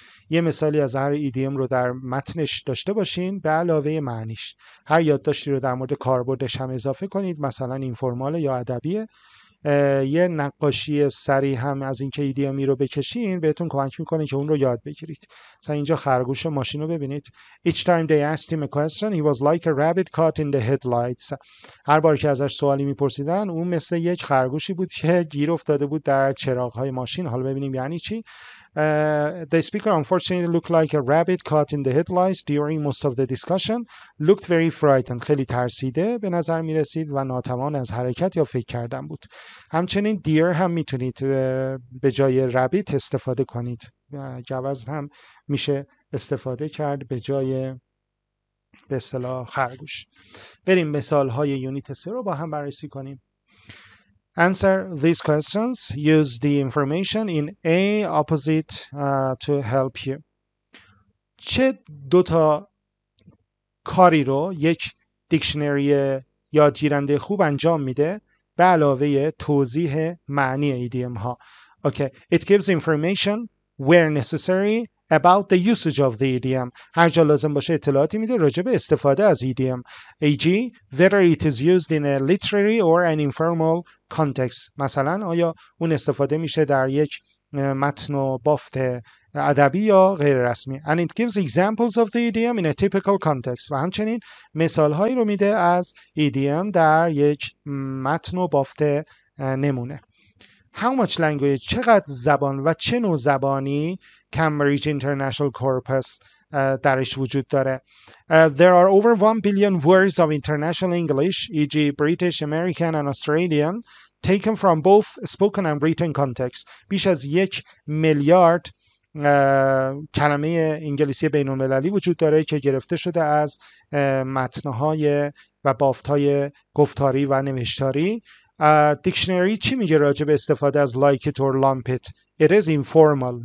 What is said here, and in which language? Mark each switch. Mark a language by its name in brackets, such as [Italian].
[Persian] یه مثالی از هر ایدیم رو در متنش داشته باشین به علاوه معنیش. هر یادداشتی رو در مورد کاربردش هم اضافه کنید، مثلا اینفورمال یا ادبی. یه نقاشی سری هم از اینکه ایدیمی رو بکشین بهتون کمک می‌کنه که اون رو یاد بگیرید. مثلا اینجا خرگوش ماشین رو ببینید. [English] Each time they asked him a question, he was like a rabbit caught in the headlights. [Persian] هر بار که ازش سوالی می‌پرسیدن، اون مثل یک خرگوشی بود که گیر افتاده بود در چراغ‌های ماشین. حالا ببینیم یعنی چی. [English] The speaker unfortunately looked like a rabbit caught in the headlights during most of the discussion. Looked very frightened. [Persian] خیلی ترسیده به نظر می رسید و ناتوان از حرکت یا فکر کردن بود. همچنین deer هم می تونید به جای rabbit استفاده کنید. گوزن هم میشه استفاده کرد به جای به اصطلاح خرگوش. بریم مثال های یونیت 3 رو با هم بررسی کنیم. [English] Answer these questions. Use the information in A opposite to help you. [Persian] چه دوتا کاری رو یک دیکشنری یادگیرنده خوب انجام میده به علاوه توضیح معنی ایدیم ها؟ Okay. [English] It gives information where necessary about the usage of the idiom. [Persian] هر جا لازم باشه اطلاعاتی میده راجع به استفاده از ایدیم. [English] E.g. whether it is used in a literary or an informal context. [Persian] مثلا آیا اون استفاده میشه در یک متن و بافت ادبی یا غیر رسمی. [English] And it gives examples of the idiom in a typical context. [Persian] و همچنین مثال هایی رو میده از ایدیم در یک متن و بافت نمونه. [English] How much language, [Persian] چقدر زبان و چه نوع زبانی Cambridge International Corpus درش وجود داره. [English] There are over 1 billion words of international English, e.g. British, American and Australian, taken from both spoken and written contexts. [Persian] بیش از 1 میلیارد کلمه انگلیسی بین المللی وجود داره که گرفته شده از متن‌های و بافت‌های گفتاری و نوشتاری. دیکشنری چی میگه راجع به استفاده از like it or lump it؟ [English] It is informal.